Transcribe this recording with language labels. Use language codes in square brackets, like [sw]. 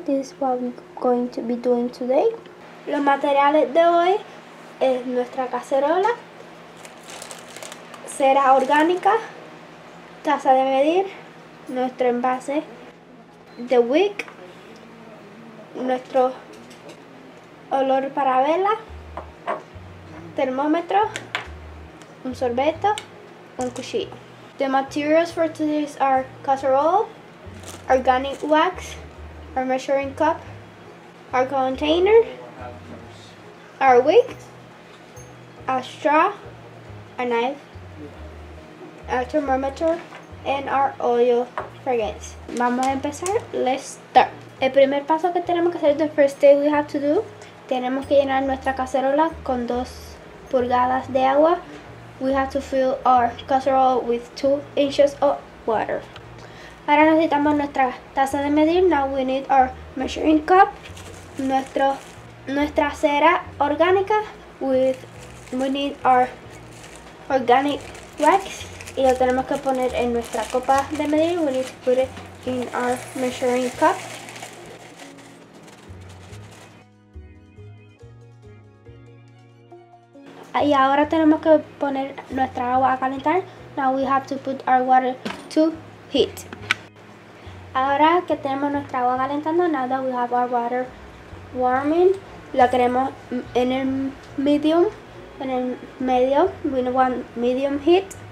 [en] This is what we're going to be doing today. [es] Los materiales de hoy es nuestra cacerola, cera orgánica, taza de medir, nuestro envase de wick, nuestro olor para vela, termómetro, un sorbeto, un cuchillo. [en] The materials for today are casserole, organic wax, our measuring cup, our container, our wick, a straw, a knife, a thermometer, and our oil fragrance. [es] Vamos a empezar. [en] Let's start. [es] El primer paso que tenemos que hacer, [en] the first thing we have to do, [es] tenemos que llenar nuestra cacerola con 2 pulgadas de agua. [en] We have to fill our casserole with 2 inches of water. [es] Ahora necesitamos nuestra taza de medir. [en] Now we need our measuring cup. [es] Nuestra cera orgánica. [en] We need our organic wax. [es] Y lo tenemos que poner en nuestra copa de medir. [en] We need to put it in our measuring cup. [es] Y ahora tenemos que poner nuestra agua a calentar. [en] Now we have to put our water to heat. [es] Ahora que tenemos nuestra agua calentando, [en] now that we have our water warming, [es] lo queremos en el medium, [en] we want medium heat.